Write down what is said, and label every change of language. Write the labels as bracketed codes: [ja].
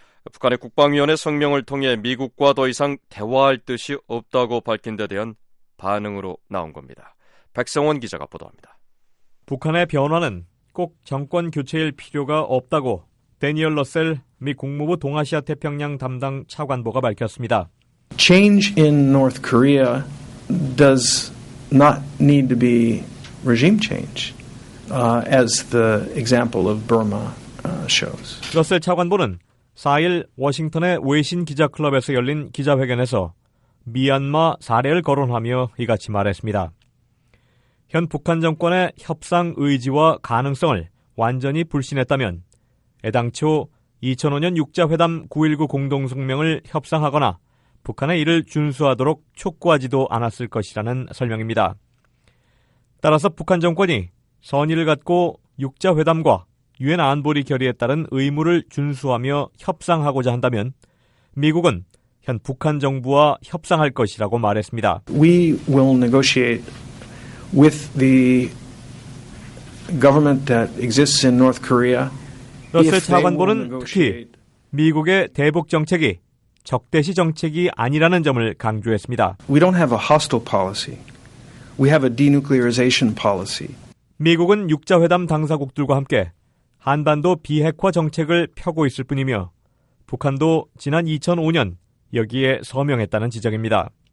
[ko] 북한의 국방위원회 성명을 통해 미국과 더 이상 대화할 뜻이 없다고 밝힌 데 대한 반응으로 나온 겁니다. 백성원 기자가 보도합니다. 북한의 변화는 꼭 정권 교체일 필요가 없다고 대니얼 러셀 미 국무부 동아시아 태평양 담당 차관보가 밝혔습니다. [en] Change in North Korea does not need to be regime change, as the example of Burma shows. [ko] 러셀 차관보는 4일 워싱턴의 외신 기자 클럽에서 열린 기자회견에서 미얀마 사례를 거론하며 이같이 말했습니다. 현 북한 정권의 협상 의지와 가능성을 완전히 불신했다면 애당초 2005년 6자회담 9.19 공동성명을 협상하거나 북한의 이를 준수하도록 촉구하지도 않았을 것이라는 설명입니다. 따라서 북한 정권이 선의를 갖고 6자회담과 유엔 안보리 결의에 따른 의무를 준수하며 협상하고자 한다면 미국은 현 북한 정부와 협상할 것이라고 말했습니다. [en] We will negotiate with the government that exists in North Korea. [ko] 러셀 차관보는 특히 미국의 대북 정책이 적대시 정책이 아니라는 점을 강조했습니다. [en] We don't have a hostile policy. We have a denuclearization policy. [ko] 미국은 6자회담 당사국들과 함께 한반도 비핵화 정책을 펴고 있을 뿐이며 북한도 지난 2005년 여기에 서명했다는 지적입니다.